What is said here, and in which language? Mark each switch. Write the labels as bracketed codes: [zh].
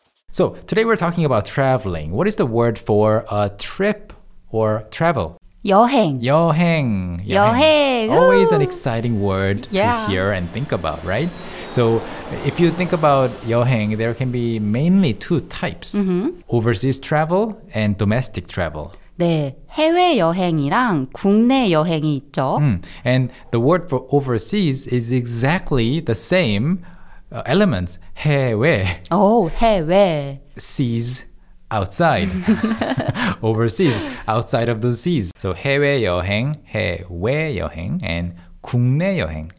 [en] So today we're talking about traveling. What is the word for a trip or travel? [ko] 여행. 여행. 여행. [en] Always an exciting word to hear and think about, right? So if you think about 여행, there can be mainly two types. Mm-hmm. Overseas travel and domestic travel. [ko] 네, 해외 여행이랑 국내 여행이 있죠. [en] And the word for overseas is exactly the same elements. [ko] 해외. Oh, 해외. [en] Seas. Outside, overseas, outside of the seas. [ko] So 해외 여행, 해외 여행, and 국내 여행.